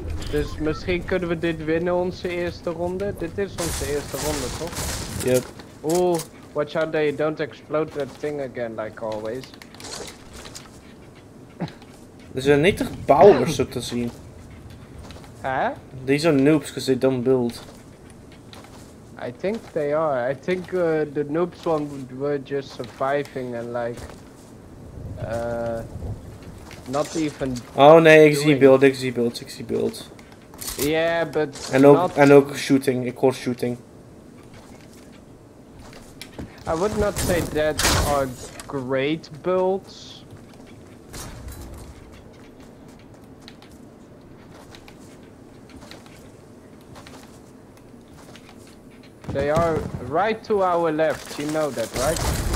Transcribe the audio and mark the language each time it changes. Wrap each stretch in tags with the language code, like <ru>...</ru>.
<nl>Dus misschien kunnen we dit winnen, onze eerste ronde. Dit is onze eerste ronde, toch?</nl> <en>Yep. Oeh, watch out that you don't explode that thing again, like always.</en> <nl>Er zijn niet echt bouwers, zo te zien. Hè?</nl> <en>These are noobs, because they don't build. I think they are. I think the noobs one were just surviving and like not even.</en> <nl>Oh nee, ik zie build, ik zie build, ik zie build.</nl> <en>Yeah, but</en> <nl>en ook not... en ook shooting, ik hoor shooting.</nl> <en>I would not say that are great builds. They are right to our left, you know that, right?</en>